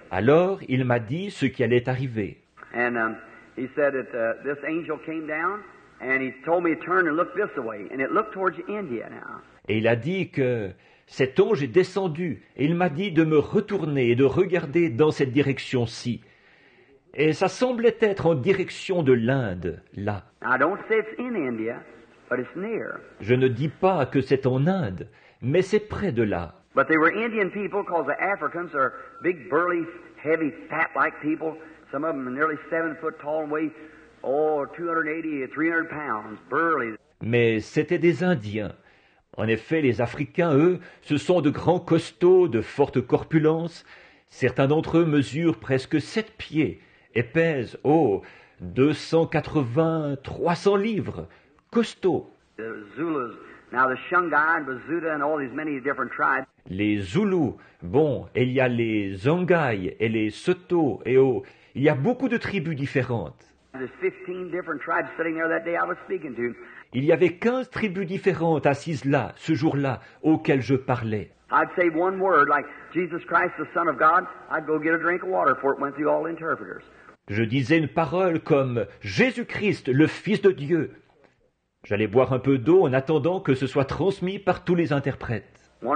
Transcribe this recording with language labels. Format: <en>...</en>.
<fr>Alors, il m'a dit ce qui allait arriver.</fr> <en>And he said that this angel came down and he told me to turn and look this way and it looked towards India now.</en> <fr>Et il a dit que cet ange est descendu et il m'a dit de me retourner et de regarder dans cette direction-ci. Et ça semblait être en direction de l'Inde, là.</fr> <en>I don't say it's in India, but it's near.</en> <fr>Je ne dis pas que c'est en Inde, mais c'est près de là.</fr> <en>But they were Indian people, because the Africans are big, burly, heavy, fat-like people. Some of them are nearly 7 foot tall and weigh, 280 or 300 pounds, burly.</en> <fr>Mais c'était des Indiens. En effet, les Africains, eux, ce sont de grands costauds, de forte corpulence. Certains d'entre eux mesurent presque 7 pieds et pèsent, 280, 300 livres, costauds.</fr> <en>The Zulus. Now the Xhunga and Bazuda and all these many different tribes.</en> <fr>Les Zoulous, bon, et il y a les Zongai et les Soto et oh, il y a beaucoup de tribus différentes.</fr> <en>There's 15 different tribes sitting there that day I was speaking to.</en> <fr>Il y avait 15 tribus différentes assises là, ce jour-là, auxquelles je parlais.</fr> <en>I'd say one word like Jesus Christ, the Son of God. I'd go get a drink of water before it went through all the interpreters.</en> <fr>Je disais une parole comme « Jésus-Christ, le Fils de Dieu ». J'allais boire un peu d'eau en attendant que ce soit transmis par tous les interprètes.</fr>